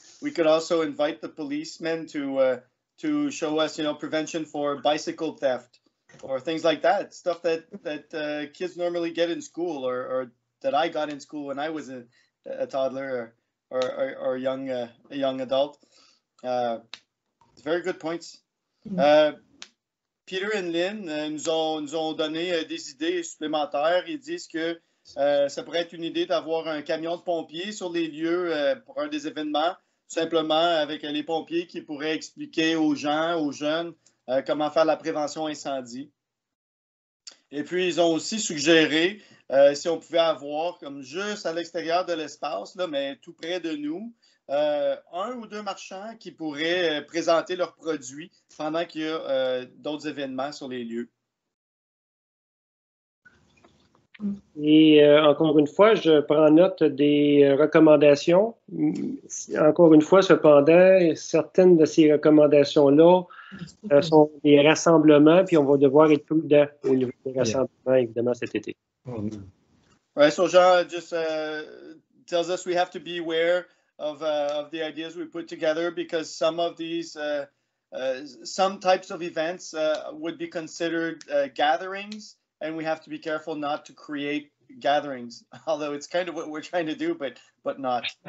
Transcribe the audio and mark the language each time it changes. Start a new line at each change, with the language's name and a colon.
English: We could also invite the policemen to show us, prevention for bicycle theft or things like that, stuff that kids normally get in school or that I got in school when I was a toddler or a young adult. Very good points.
French: Peter et Lynn nous ont donné des idées supplémentaires. Ils disent que ça pourrait être une idée d'avoir un camion de pompiers sur les lieux pour un des événements, simplement avec les pompiers qui pourraient expliquer aux jeunes, comment faire la prévention incendie. Et puis, ils ont aussi suggéré si on pouvait avoir, comme juste à l'extérieur de l'espace, là, mais tout près de nous, un ou deux marchands qui pourraient présenter leurs produits pendant qu'il y a d'autres événements sur les lieux. Et encore une fois, je prends note des recommandations. Encore une fois, cependant, certaines de ces recommandations-là sont des rassemblements, puis on va devoir être prudent au niveau des rassemblements, évidemment, cet été. Mm-hmm.
English: Right, so Jean just tells us we have to be aware of the ideas we put together, because some of these, some types of events would be considered gatherings. And we have to be careful not to create gatherings, although it's kind of what we're trying to do, but not.